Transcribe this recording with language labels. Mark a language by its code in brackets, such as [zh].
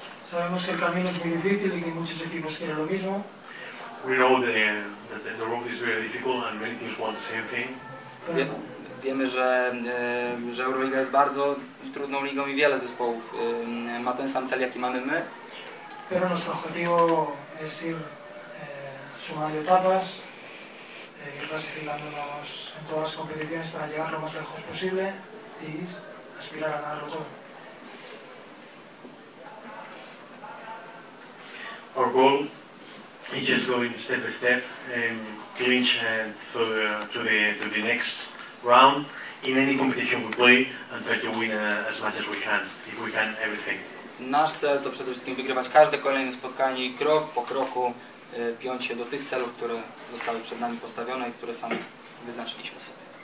[es] Sabemos que el camino es muy difícil y que muchos equipos quieren lo mismo. [en] We know that the road is very difficult and many teams want the same thing. [pl] Wiemy, że Euroliga jest bardzo trudną ligą i wiele zespołów ma ten sam cel, jaki mamy my. [es] Pero nuestro objetivo es ir sumando etapas y clasificándonos en todas las competiciones para llegar lo más lejos posible y aspirar a ganarlo todo. [en] Our goal. He just going step by step and clinch to the next round in any competition we play and try to win as much as we can, if we can everything. [pl] Nasz cel to przede wszystkim wygrywać każde kolejne spotkanie i krok po kroku piąć się do tych celów, które zostały przed nami postawione i które sami wyznaczyliśmy sobie.